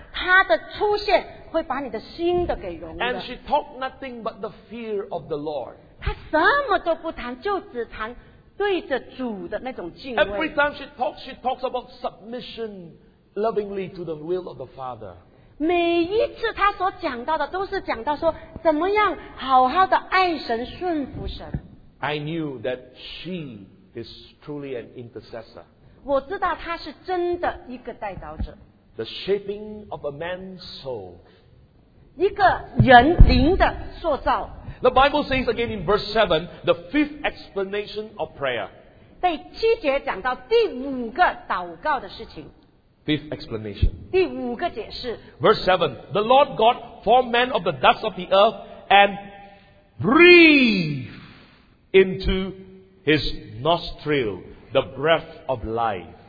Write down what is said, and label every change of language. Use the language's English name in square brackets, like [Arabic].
[Chinese] 因着耶稣的那样的形象在他的身上，他的出现会把你的心的给融了。 [English] And she talked nothing but the fear of the Lord. [Chinese] 她什么都不谈，就只谈对着主的那种敬畏。 [English] Every time she talks about submission lovingly to the will of the Father. [Chinese] 每一次她所讲到的都是讲到说怎么样好好的爱神顺服神。 [English] I knew that she is truly an intercessor. [Chinese] 我知道他是真的一个代祷者。 [English] The shaping of a man's soul. [Chinese] 一个人灵的塑造。 [English] The Bible says again in verse 7, the fifth explanation of prayer. [Chinese] 第七节讲到第五个祷告的事情。 [English] Fifth explanation. [Chinese] 第五个解释。 [English] Verse 7, the Lord God formed man of the dust of the earth and breathed into his nostril the breath of life.